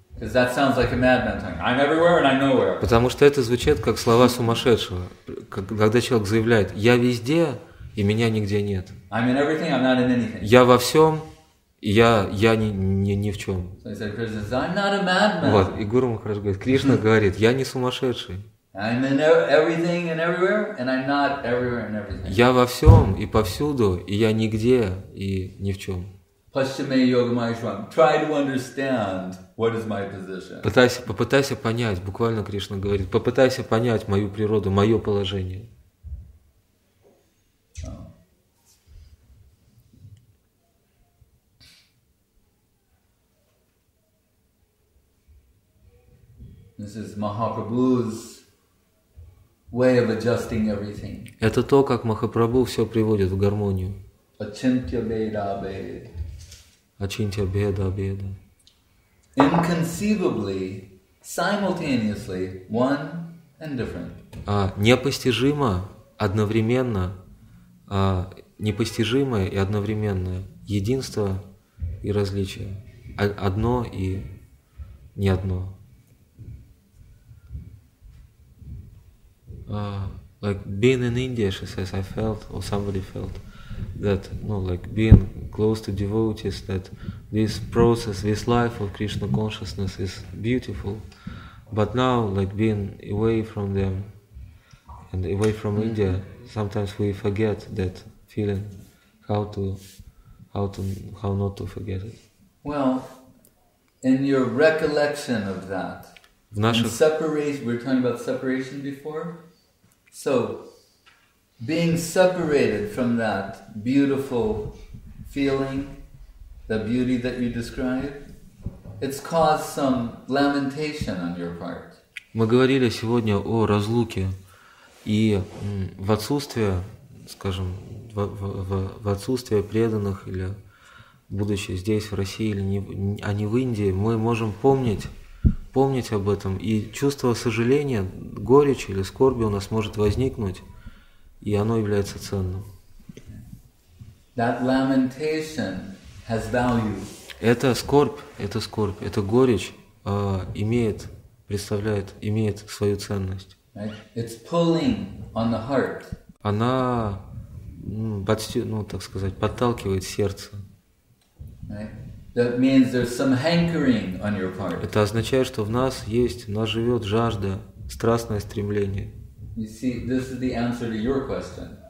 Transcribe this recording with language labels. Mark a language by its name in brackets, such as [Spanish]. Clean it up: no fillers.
[Russian] Потому что это звучит как слова сумасшедшего, когда человек заявляет, я везде, и меня нигде нет. [English] I'm in everything, I'm not in anything. [Russian] Я во всем, я ни в чем. [English] So he said, I'm not a madman. [Russian] Вот, и Гуру Махарадж говорит, Кришна говорит, я не сумасшедший. [English] I'm in everything and everywhere, and I'm not everywhere and everything. [Russian] Я во всем и повсюду, и я нигде и ни в чем. [English] Try to understand what is my position. [Russian] Попытайся понять, буквально Кришна говорит, попытайся понять мою природу, мое положение. [English] This is Mahaprabhu's way of adjusting everything. [Russian] Это то, как Махапрабху все приводит в гармонию. [Sanskrit] Ачинтья беда беда. [English] Inconceivably, simultaneously, one and different. [Russian] Непостижимо одновременно, непостижимое и одновременное единство и различие, одно и не одно. [English] Like being in India, she says, I felt, or somebody felt, that, no, like being close to devotees, that this process, this life of Krishna consciousness is beautiful. But now, like being away from them and away from India, sometimes we forget that feeling, how not to forget it. Well, in your recollection of that, we're talking about separation before? So, being separated from that beautiful feeling, the beauty that you describe, it's caused some lamentation on your part. [Russian] Мы говорили сегодня о разлуке и в отсутствие, скажем, в отсутствие преданных или будучи здесь в России или не, а не в Индии, мы можем помнить об этом, и чувство сожаления, горечь или скорби у нас может возникнуть, и оно является ценным. [English] That lamentation has value. [Russian] Это скорбь, это горечь имеет свою ценность. [English] Right? It's pulling on the heart. [Russian] Она, подталкивает сердце. [English] Right? That means there's some hankering on your part. [Russian] Это означает, что в нас есть, у нас живет жажда, страстное стремление. [English] You see, this is the answer to your question.